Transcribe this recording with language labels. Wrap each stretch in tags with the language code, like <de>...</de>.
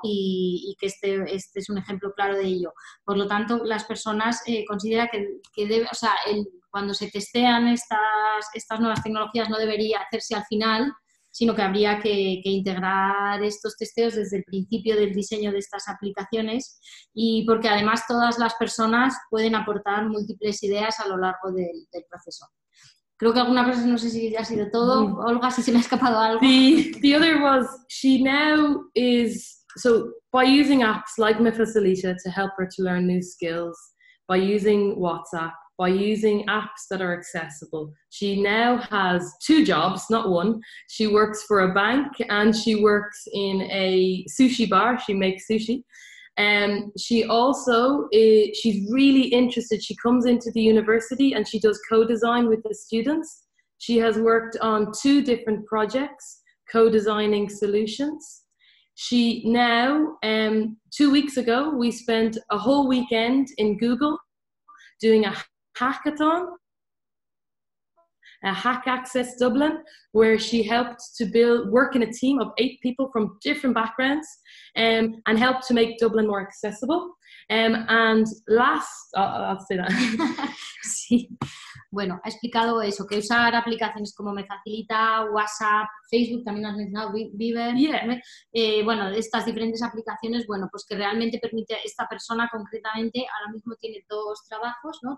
<es>Y que este es un ejemplo claro de ello. Por lo tanto, las personas consideran que debe, o sea, cuando se testean estas nuevas tecnologías no debería hacerse al final, sino que habría que integrar estos testeos desde el principio del diseño de estas aplicaciones, y porque además todas las personas pueden aportar múltiples ideas a lo largo del proceso. Creo que alguna cosa, no sé si ya ha sido todo, Olga, si se me ha escapado algo.</es> <en>The other was, she now is, so by using apps like MyFacilita to help her to learn new skills, by using WhatsApp, by using apps that are accessible, she now has 2 jobs, not one. She works for a bank and she works in a sushi bar, she makes sushi. And she also, she's really interested. She comes into the university and she does co-design with the students. She has worked on 2 different projects, co-designing solutions. She now, 2 weeks ago, we spent a whole weekend in Google doing a hackathon, a Hack Access Dublin, where she helped to work in a team of 8 people from different backgrounds and helped to make Dublin more accessible. I'll say that.</en> <es>Sí. Bueno, ha explicado eso, que usar aplicaciones como MeFacilita, WhatsApp, Facebook, también has mencionado Viber.</es> <en>Yeah.</en> <es>Bueno, estas diferentes aplicaciones, bueno, pues que realmente permite a esta persona concretamente, ahora mismo tiene 2 trabajos, ¿no?</es>